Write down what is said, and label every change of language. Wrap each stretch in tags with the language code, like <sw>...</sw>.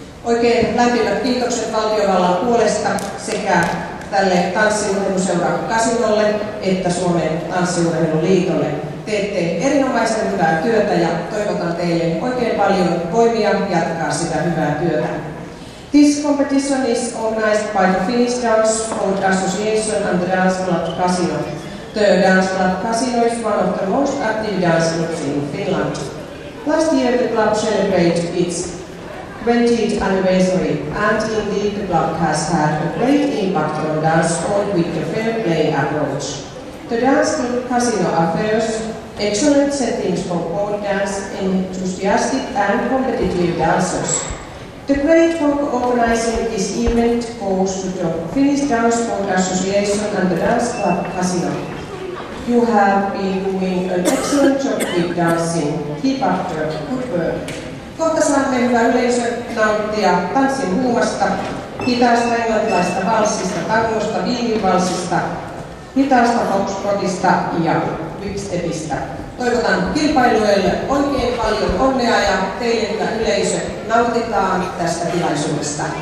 <fi>Oikein lämpimät kiitokset valtiovallan puolesta sekä tälle tanssiurheiluseura Kasinolle että Suomen tanssiurheiluliitolle. Teette erinomaisen hyvää työtä ja toivotan teille oikein paljon voimia jatkaa sitä hyvää työtä.</fi> <en>This competition is organized by the Finnish Dance Sport Association and the Dance Club Casino. The Dance Club Casino is one of the most active dance clubs in Finland. Last year the club celebrated its 20th anniversary and indeed the club has had a great impact on dance sport with the fair play approach. The Dance Club Casino offers excellent settings for both dance enthusiastic and competitive dancers. The great work organizing this event goes to the Finnish Dance Sport Association and the Dance Club Casino. You have been doing an excellent job with dancing. Keep up the good work.</en> <fi>Kohta saamme hyvä yleisö nauttia tanssin huumasta, hitaasta englantilaista valssista, tangosta, viinivalssista, hitaasta foxtrotista ja quickstepistä. Toivotan kilpailijoille oikein paljon onnea ja teille hyvä yleisö, nautitaan tästä tilaisuudesta.</fi>